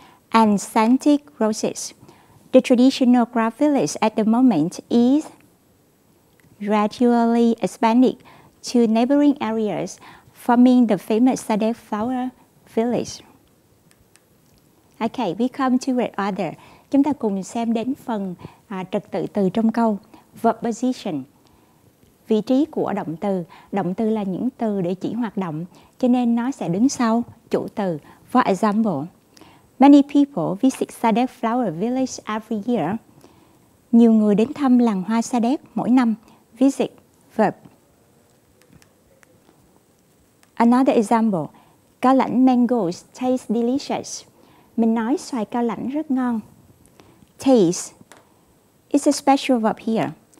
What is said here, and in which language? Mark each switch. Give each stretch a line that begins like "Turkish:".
English: And scented roses. The traditional craft village at the moment is gradually expanding to neighboring areas, forming the famous Sadek Flower Village. Okay, we come to word order.
Vietnamese: Chúng ta cùng xem đến phần trật tự từ trong câu.
English: Verb position.
Vietnamese: Vị trí của động từ. Động từ là những từ để chỉ hoạt động, cho nên nó sẽ đứng sau chủ từ.
English: For example, many people visit Sadek Flower Village every year.
Vietnamese: Nhiều người đến thăm làng hoa Sadek mỗi năm.
English: Visit, verb. Another example, cao lãnh mangoes taste delicious.
Vietnamese: Mình nói xoài cao lãnh rất ngon.
English: Taste, it's a special verb here.